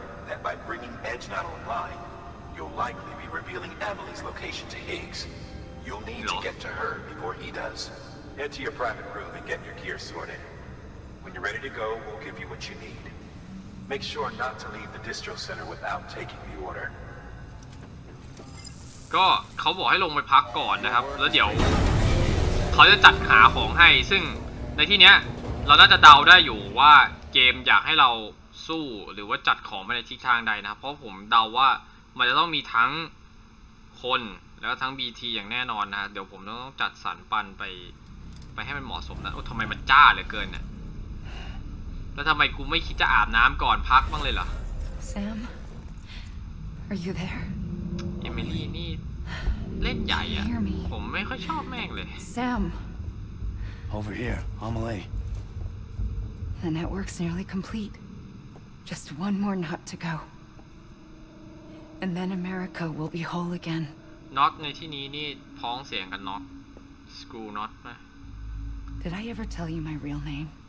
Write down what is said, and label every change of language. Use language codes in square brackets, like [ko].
[en] That by bringing Edge not online, you'll likely be revealing Emily's location to Higgs. You'll need to get to her before he does. Head to your private room and get your gear sorted. When you're ready to go, we'll give you what you need. Make sure not to leave the distro center without taking the order. [th] ก็เขาบอกให้ลงไปพักก่อนนะครับแล้วเดี๋ยวเขาจะจัดหาของให้ซึ่งในที่เนี้ยเราน่าจะเดาได้อยู่ว่าเกมอยากให้เราสู้หรือว่าจัดของไปในทิศทางใดนะครับเพราะผมเดาว่ามันจะต้องมีทั้งคนแล้วทั้ง BT อย่างแน่นอนนะเดี๋ยวผมต้องจัดสรรปันไปให้มันเหมาะสมนะโอ้ทำไมมันจ้าเหลือเกินเนี่ยแล้วทำไมกูไม่คิดจะอาบน้ำก่อนพักบ้างเลยเหรอ [en] Sam Are you there [th] Emily นี่เล่นใหญ่อะผมไม่ค่อยชอบแม่งเลย [en] Sam Over here Emily The network's nearly completeJust one more knot to go, and then America will be whole again. [th] Knot ในที่นี้นี่พ้องเสียงกัน knot, screw knot นะ [en] Did I ever tell you my real name?